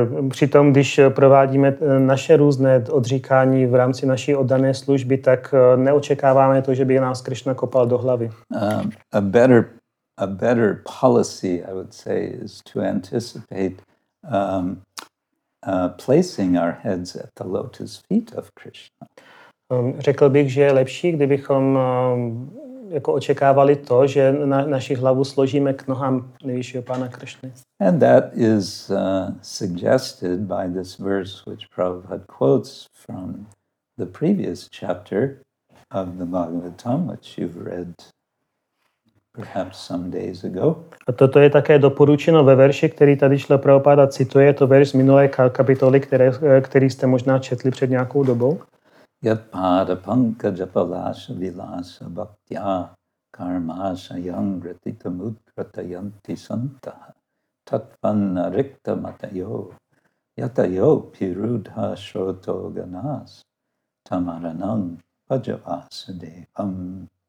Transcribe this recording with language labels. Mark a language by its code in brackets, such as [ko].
[cs] Přitom, když provádíme naše různé odříkání v rámci naší oddané služby, tak neočekáváme to, že by nás Krišna kopal do hlavy. [en] A better policy, I would say, is to anticipate placing our heads at the lotus feet of Krishna. [cs] Řekl bych, že je lepší, kdybychom jako očekávali to, že naši hlavu složíme k nohám nejvyššího pána Krišny. [en] And that is suggested by this verse which Prabhupada quotes from the previous chapter of the Bhagavatam, which you've read perhaps some days ago. [cs] A toto je také doporučeno ve verši, který tady šlo Prabhupada cituje, to verš z minulé kapitoly, který jste možná četli před nějakou dobou. [sa] Yat pada panka japalasa vilasa bhaktya karmasa yang ratita mudrata yanti santah tatpanna rikta matayo yatayo pirudha shroto ganas tamaranam pajavasa devam.